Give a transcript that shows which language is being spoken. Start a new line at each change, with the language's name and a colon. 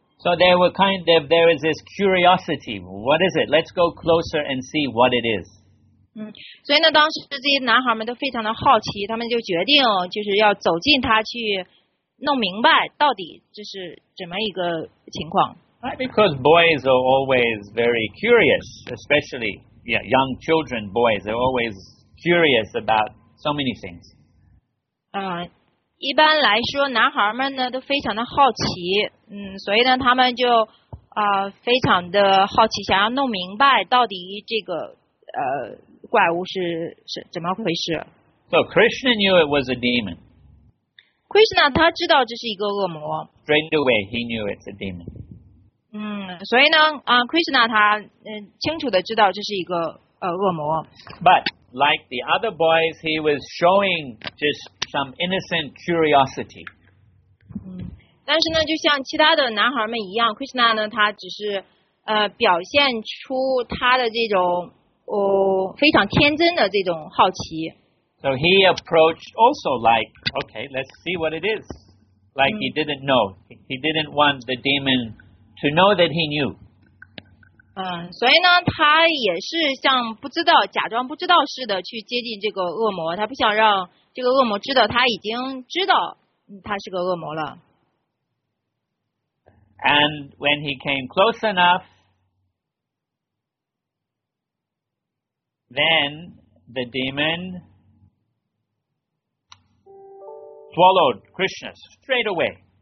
English: So there were kind of there is this curiosity. What is it? Let's go closer and see what it is.
Chinese: 所以呢，当时这些男孩们都非常的好奇，他们就决定就是要走近它去弄明白到底这是怎么一个情况。
English: Right, because boys are always very curious, especially young children. Boys are always curious about so many things.
Chinese: 一般来说男孩们呢都非常的好奇所以呢他们就非常的好奇想要弄明白到底这个怪物是怎么回事
English: So Krishna knew it was a demon
Chinese: Krishna 他知道这是一个恶魔
English: Straight away he knew it's a demon
Chinese: 所以呢Krishna 他清楚的知道这是一个恶魔
English: But like the other boys he was showing justSome innocent curiosity.
Chinese: 但是呢，就像其他的男孩们一样 ，Krishna 呢，他只是表现出他的这种非常天真的这种好奇。
English: So he approached also like, okay, let's see what it is. Like he didn't know, he didn't want the demon to know that he knew.
Chinese: 所以呢，他也是像不知道，假装不知道似的去接近这个恶魔，他不想让。这个恶魔知道他已经知道他是个恶魔了。
English: And when he came close enough, then the demon swallowed Krishna straight away.